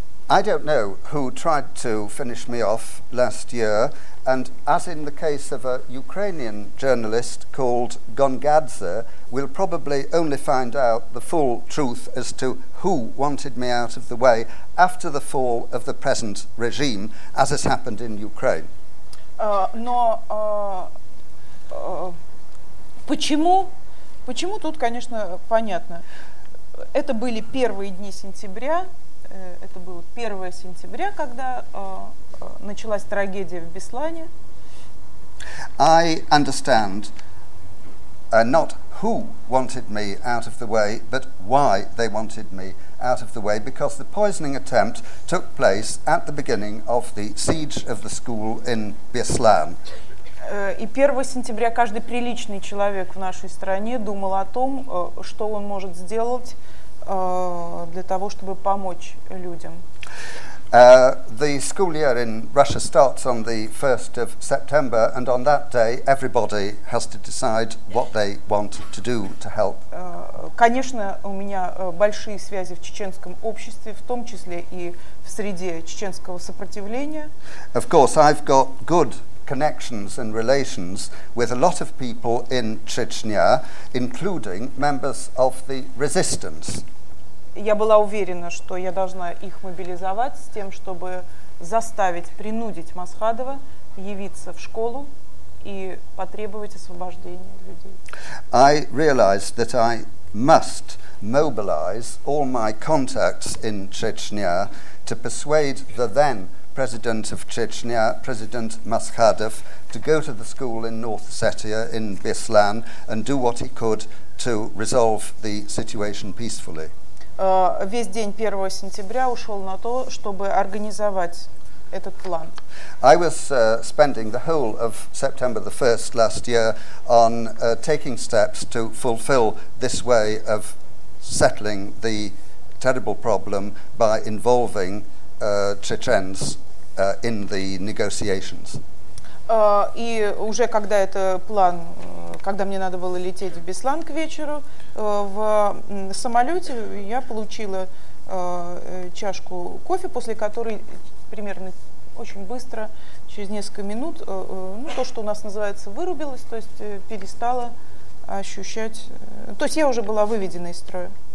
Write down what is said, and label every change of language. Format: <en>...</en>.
<en>I don't know who tried to finish me off last year, and as in the case of a Ukrainian journalist called Gongadze, we'll probably only find out the full truth as to who wanted me out of the way after the fall of the present regime, as has happened in Ukraine.</en> <ru>Почему тут, конечно, понятно. Это были первые дни сентября. Это было 1 сентября, когда началась трагедия в Беслане.</ru> <en>I understand not who wanted me out of the way, but why they wanted me out of the way, because the poisoning attempt took place at the beginning of the siege of the school in Беслан.</en> <ru>И 1 сентября каждый приличный человек в нашей стране думал о том, что он может сделать для того, чтобы помочь людям.</ru> <en>The school year in Russia starts on the 1st of September, and on that day everybody has to decide what they want to do to help.</en> <ru>Конечно, у меня большие связи в чеченском обществе, в том числе и в среде чеченского сопротивления.</ru> <en>Of course, I've got good connections and relations with a lot of people in Chechnya, including members of the resistance.</en> <ru>Я была уверена, что я должна их мобилизовать с тем, чтобы заставить, принудить Масхадова явиться в школу и потребовать освобождения людей.</ru> <en>I realized that I must mobilize all my contacts in Chechnya to persuade the then president of Chechnya, President Masхадов, to go to the school in North Ossetia in Беслан and do what he could to resolve the situation peacefully.</en> <ru>Весь день 1 сентября ушел на то, чтобы организовать этот план.</ru> <en>I was spending the whole of September the 1st last year on taking steps to fulfill this way of settling the terrible problem by involving Чеченцев in the negotiations.</en> <ru>И уже когда это план, когда мне надо было лететь в Беслан к вечеру, в самолете я получила чашку кофе, после которой примерно очень быстро, через несколько минут, ну, то, что у нас называется, вырубилось, то есть перестала ощущать, то есть я уже была выведена из строя.</ru>